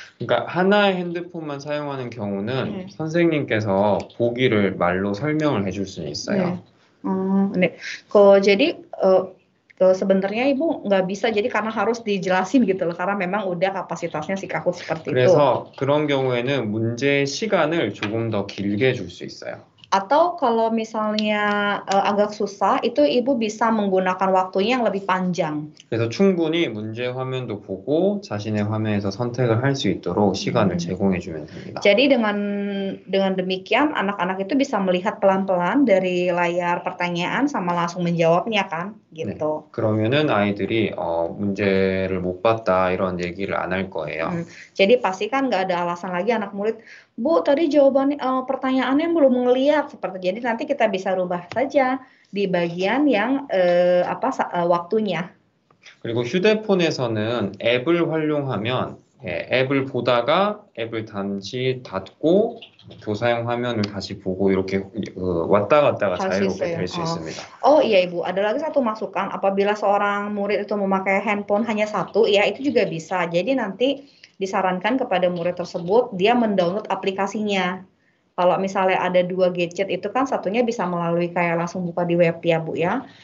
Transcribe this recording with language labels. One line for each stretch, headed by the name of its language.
Korean: 그러니까 하나의 핸드폰만 사용하는 경우는 네. 선생님께서 보기를 말로 설명을 해줄 수 있어요.
Indonesian: 네. 그 제리 sebenarnya ibu nggak bisa jadi karena harus dijelasin gitu loh karena memang udah kapasitasnya si kahut seperti
Korean: 그래서 그래서 그런 경우에는 문제 시간을 조금 더 길게 줄 수 있어요.
Indonesian: Atau kalau misalnya agak susah, itu ibu bisa menggunakan waktunya yang lebih panjang.
Korean: 그래서 충분히 문제 화면도 보고 자신의 화면에서 선택을 할 수 있도록 시간을 제공해 주면 됩니다.
Indonesian: Jadi dengan demikian anak-anak itu bisa melihat pelan-pelan dari layar pertanyaan sama langsung menjawabnya kan, gitu.
Korean: 네. 그러면은 아이들이 문제를 못 봤다 이런 얘기를 안 할 거예요.
Indonesian: Jadi pasti kan nggak ada alasan lagi anak murid. Bu, tadi jawabannya pertanyaannya belum ngelihat seperti jadi nanti kita bisa rubah saja di bagian yang waktunya.
Korean: 그리고 휴대폰에서는 앱을 활용하면 앱을 보다가 앱을 잠시 닫고 교사용 화면을 다시 보고 이렇게 왔다 갔다가 자유롭게 될 수 있습니다.
Indonesian: Oh iya ibu, ada lagi satu masukan. Apabila seorang murid itu memakai handphone hanya satu, ya itu juga bisa. Jadi nanti disarankan kepada murid tersebut dia mendownload aplikasinya. Kalau misalnya ada dua gadget itu kan satunya bisa melalui kayak langsung buka di web ya bu ya.